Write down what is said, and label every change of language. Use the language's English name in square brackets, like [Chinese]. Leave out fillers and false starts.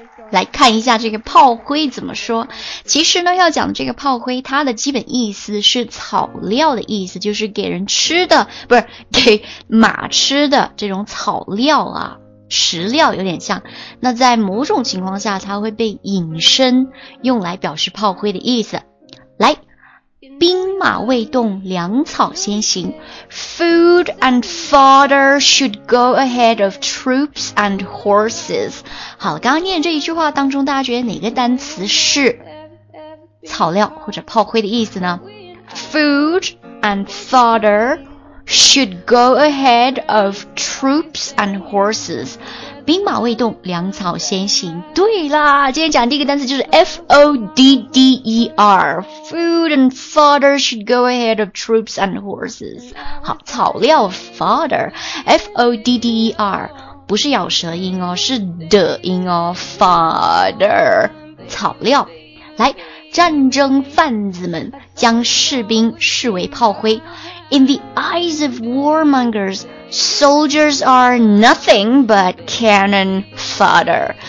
[Chinese] 来看一下这个炮灰怎么说。其实呢，要讲这个炮灰，它的基本意思是草料的意思，就是给人吃的，不是给马吃的这种草料啊，食料有点像。那在某种情况下，它会被引申用来表示炮灰的意思。来，兵马未动，粮草先行。 [English] Food and fodder should go ahead of troops and horses. [Chinese] 好，刚刚念这一句话当中，大家觉得哪个单词是草料或者炮灰的意思呢？ [English] Food and fodder should go ahead of troops and horses. [Chinese] 兵马未动，粮草先行。对啦，今天讲第一个单词就是 F-O-D-D-E-R， [English] Food and fodder should go ahead of troops and horses。 [Chinese] 好，草料 fodder， F-O-D-D-E-R 不是咬舌音哦，是的音哦， fodder 草料。来，战争贩子们将士兵视为炮灰。 [English] In the eyes of warmongersSoldiers are nothing but cannon fodder.